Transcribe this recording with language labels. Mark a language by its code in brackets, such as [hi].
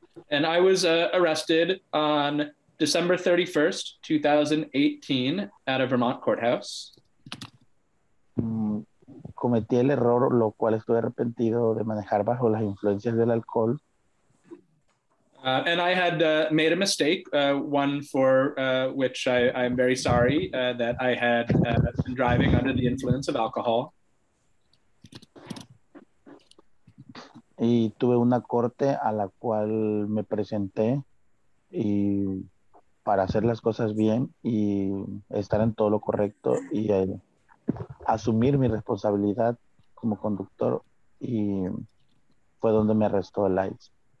[en] And I was arrested on December 31st, 2018 at a Vermont courthouse. [es] Cometí el error, lo cual estuve arrepentido, de manejar bajo las influencias del alcohol. [en] And I had made a mistake, one for which I am very sorry, that I had been driving under the influence of alcohol. [es] Y tuve una corte a la cual me presenté y para hacer las cosas bien y estar en todo lo correcto y asumir mi responsabilidad como conductor, y fue donde me arrestó el ICE.